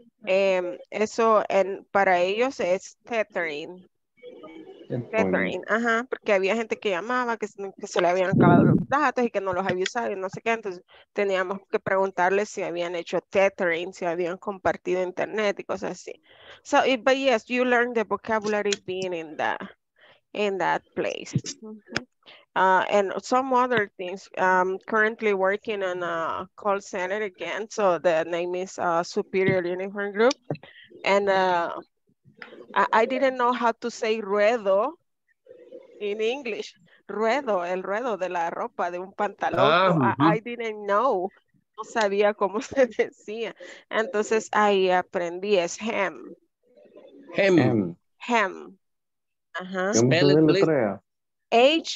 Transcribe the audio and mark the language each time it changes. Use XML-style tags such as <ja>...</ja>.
<es>Eso en, para ellos es tethering, ajá, porque había gente que llamaba que se le habían acabado los datos y que no los había usado y no sé qué, entonces teníamos que preguntarles si habían hecho tethering, si habían compartido internet y cosas así.</es> <en>So, but yes, you learn the vocabulary being in that place. And some other things, currently working on a call center again. So the name is Superior Uniform Group. And I didn't know how to say ruedo in English.</en> <es>Ruedo, el ruedo de la ropa, de un pantalón.</es> <en>Ah, mm-hmm. I didn't know.</en> <es>No sabía cómo se decía. Entonces ahí aprendí, es hem.</es> <en>Hem. Hem. Uh-huh. Spell it, please. H.</en>